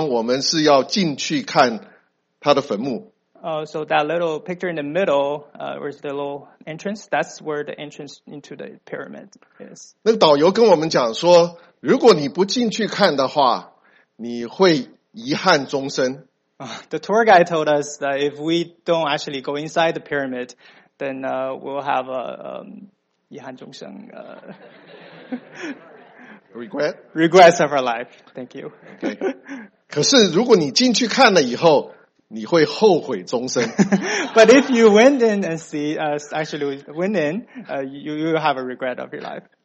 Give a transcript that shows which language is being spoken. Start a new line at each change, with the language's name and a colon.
Chinese: 那其中有一个地方，这个地方我们是要进去看他的坟墓。
English: So that little picture in the middle, where's the little entrance? That's where the entrance into the pyramid is.
Chinese: 那个导游跟我们讲说，如果你不进去看的话，你会遗憾终生。
English: The tour guide told us that if we don't actually go inside the pyramid, then we'll have a
Chinese: 遗憾终生
English: regrets of our life. Thank you. Okay.
Chinese: 可是如果你进去看了以后，你会后悔终生。
English: But if you went in and see, actually went in, you have a regret of your life.